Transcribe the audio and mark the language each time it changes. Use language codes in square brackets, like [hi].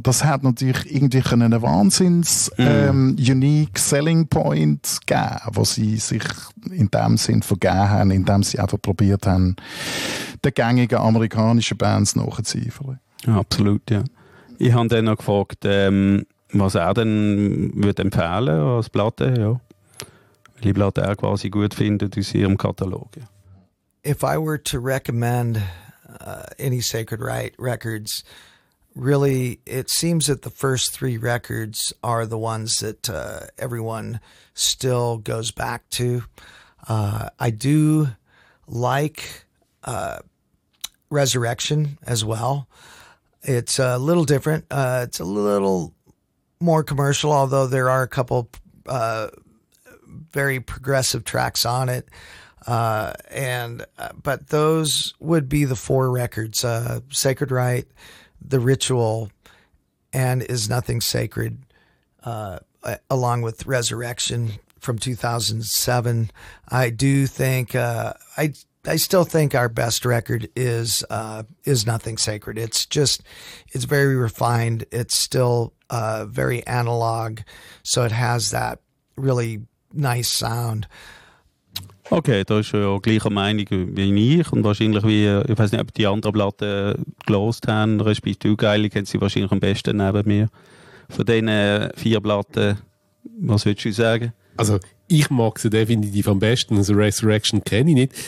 [de] Das hat natürlich irgendwie einen wahnsinns unique Selling Point gegeben, wo sie sich in dem Sinn vergeben haben, indem sie einfach probiert haben, den gängigen amerikanischen Bands nachzueifern. Ja, absolut, ja. Ich habe dann noch gefragt, was er denn würde empfehlen als Platte, ja. Welche Platte er quasi gut findet aus ihrem Katalog. Ja. [en] If I were to recommend any Sacred Rite records, really, it seems that the first three records are the ones that everyone still goes back to. I do like Resurrection as well. It's a little different. It's a little more commercial, although there are a couple very progressive tracks on it. But those would be the four records, Sacred Rite, The Ritual, and Is Nothing Sacred, along with Resurrection from 2007. I do think, I still think our best record is Nothing Sacred. It's just, it's very refined. It's still, very analog. So it has that really nice sound. [de] Okay, da ist ja gleicher Meinung wie ich und wahrscheinlich wie, ich weiß nicht, ob die anderen Platten gelost haben, respektive du Geile, kennst sie wahrscheinlich am besten neben mir. Von diesen vier Platten, was würdest du sagen? Also, ich mag sie definitiv am besten, also Resurrection kenne ich nicht.